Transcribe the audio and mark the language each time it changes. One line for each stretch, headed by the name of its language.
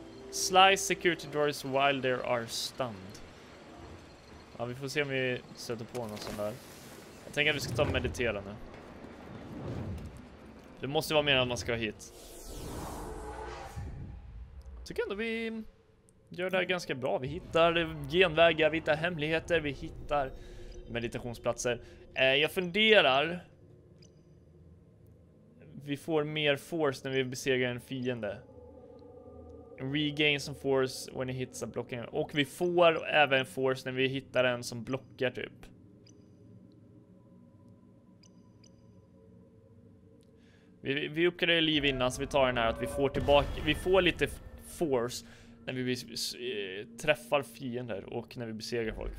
English: Slice security droids while they are stunned.
Swedish: Ja, vi får se om vi sätter på något sånt där. Jag tänker att vi ska ta och meditera nu. Det måste vara mer än man ska ha hit. Tycker ändå vi gör det här ganska bra. Vi hittar genvägar, vi hittar hemligheter, vi hittar meditationsplatser. Jag funderar... Vi får mer force när vi besegrar en fiende.
English: Regain some force when it hits a blocking.
Swedish: Och vi får även force när vi hittar en som blockar typ. Vi uppgraderar liv innan så vi tar den här att vi får tillbaka... Vi får lite force när vi träffar fiender och när vi besegrar folk.